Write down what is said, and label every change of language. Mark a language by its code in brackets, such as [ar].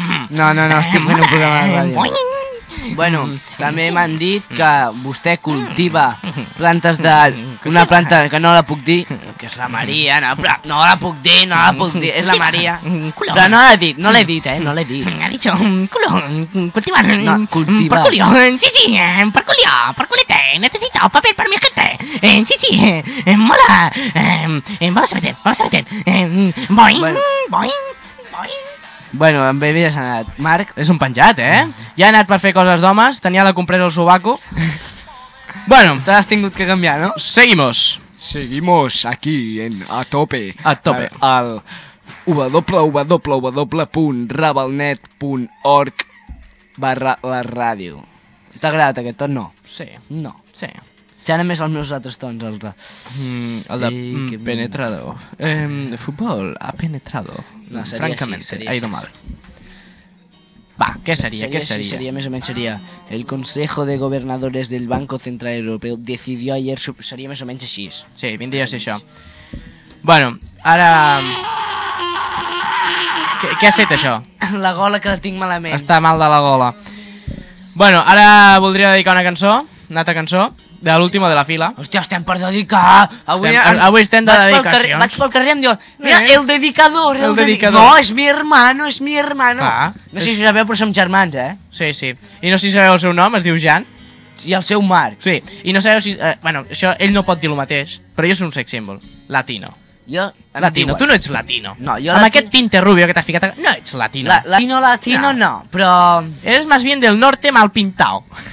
[ca] No, estic fent un programa de ràdio. Boing. Bueno, també m'han dit que vostè cultiva plantes de... Una planta que no la puc dir, que és la Maria, no la puc dir, és la Maria. Culo. Però no l'he dit, no l'he dit. [es] Ha dicho, culo, cultivar... No, cultiva. Por culio, sí, sí, por culio, por culete, necesito papel para mi gente. Sí, sí, mola, vamos a meter, boing, boing, boing. [ca] Bueno, en Baby ja s'ha anat. Marc, és un penjat, eh? Ja ha anat per fer coses d'homes, tenia la compresa al sobaco. Bueno, te l'has tingut que canviar, no? [es] Seguimos. Seguimos aquí, en A Tope. [ca] A Tope. Al www.rabalnet.org/laradio. T'ha agradat aquest ton? No. Sí. No. Sí. Ja anem més als meus altres tons, el de... [es] El de penetrado. Futbol ha penetrado. [ca] No, seria francament, així, seria [es] ha ido [ca] així. Mal. Va, què seria, seria, què seria? Seria, més o menys, seria... [es] El Consejo de Gobernadores del Banco Central Europeo decidió ayer... [ca] Seria més o menys així. Sí, vindria a ser això. Bueno, ara... Què ha fet, això? La gola, que la tinc malament. Està mal de la gola. Bueno, ara voldria dedicar una cançó, una altra cançó. De l'última de la fila. Hòstia, estem per dedicar. Avui estem de dedicacions. Vaig pel carrer i em diuen, mira, el dedicador. El dedicador. [es] No, és mi hermano. [ca] Ah, no sé si ho sabeu, però som germans, eh? Sí, sí. I no sé si sabeu el seu nom, es diu Jan. I el seu Marc. Sí. I no sabeu si... bueno, això, ell no pot dir el mateix, però jo soc un sex symbol. Latino. Jo... Latino. Tu no ets latino. No, jo... Amb aquest [es] tinte rubio [ca] que t'has ficat... No ets latino. Latino, no, però... [es] Eres más bien del norte mal pintado.